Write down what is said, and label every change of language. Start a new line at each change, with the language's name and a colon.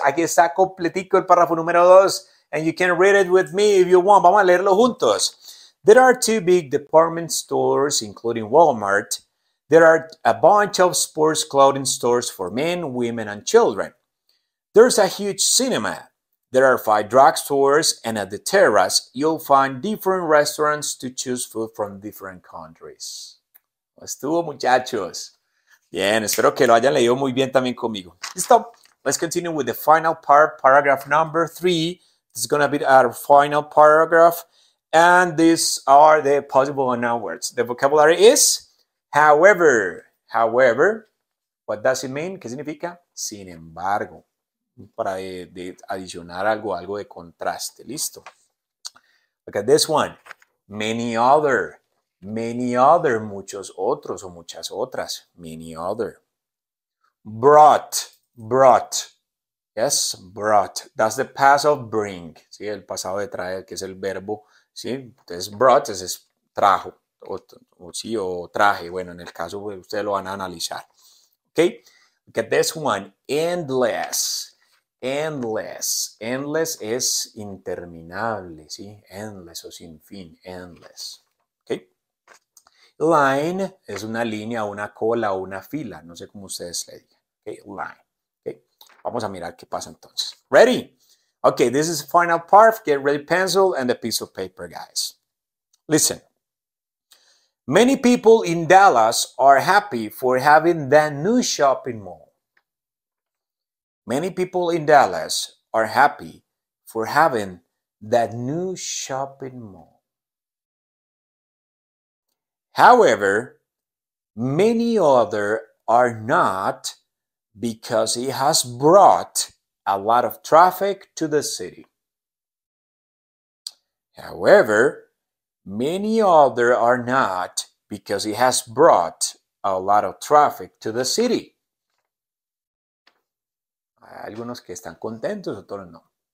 Spanish: Aquí está completico el párrafo número 2.
English: And you can read it with me if you want.
Spanish: Vamos a leerlo juntos.
English: There are two big department stores, including Walmart. There are a bunch of sports clothing stores for men, women, and children. There's a huge cinema. There are five drugstores, and at the terrace, you'll find different restaurants to choose food from different countries.
Spanish: Estuvo, muchachos. Bien, espero que lo hayan leído muy bien también conmigo. Listo.
English: Let's continue with the final part, paragraph number 3. This is going to be our final paragraph. And these are the possible noun words. The vocabulary is, however, however. What does it mean?
Spanish: ¿Qué significa? Sin embargo. Para de adicionar algo de contraste. Listo.
English: Look at this one. Many other,
Spanish: muchos otros o muchas otras.
English: Many other. Brought. Yes, brought. That's the past of bring.
Spanish: Sí, el pasado de traer, que es el verbo. Sí, entonces brought es trajo. O traje. Bueno, en el caso, pues, ustedes lo van a analizar.
English: Okay. Look at this one.
Spanish: Endless. Endless es interminable, ¿sí? Endless o sin fin. Endless. Okay. Line es una línea, una cola o una fila. No sé cómo ustedes le digan. Okay. Line. Okay. Vamos a mirar qué pasa entonces.
English: Ready? Okay, this is the final part. Get ready, pencil and a piece of paper, guys. Listen. Many people in Dallas are happy for having that new shopping mall. Many people in Dallas are happy for having that new shopping mall. However, many others are not because it has brought a lot of traffic to the city. However, many others are not because it has brought a lot of traffic to the city.
Spanish: Algunos que están contentos, otros no.